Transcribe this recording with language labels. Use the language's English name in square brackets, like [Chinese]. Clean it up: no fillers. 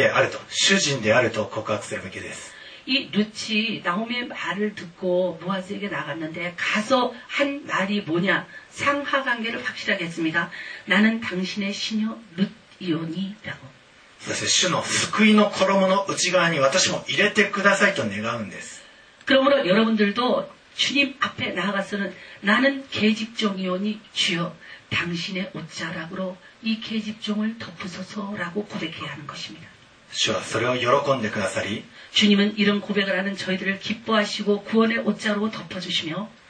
[Japanese] 主のもとに行ったら自分が主の端ためであり主こそ主であると主人であると告白するべきです. [Korean] 이 루치 나오미의 말을 듣고 보아즈에게 나갔는데 가서 한 말이 뭐냐? 상하관계를 확실하게 했습니다. 나는 당신의 신녀 룻이오니라고. [Japanese] 主の救いの衣の内側に私も入れてくださいと願うんです. [Korean] 그러므로 여러분들도 주님 앞에 나아가서는 나는 계집종이오니 주여 당신의 옷자락으로 이 계집종을 덮으소서라고 고백해야 하는 것입니다. [Japanese] 主はそれを喜んでくださり [Korean] 주님은 이런 고백을 하는 저희들을 기뻐하시고 구원의 옷자로 덮어주시며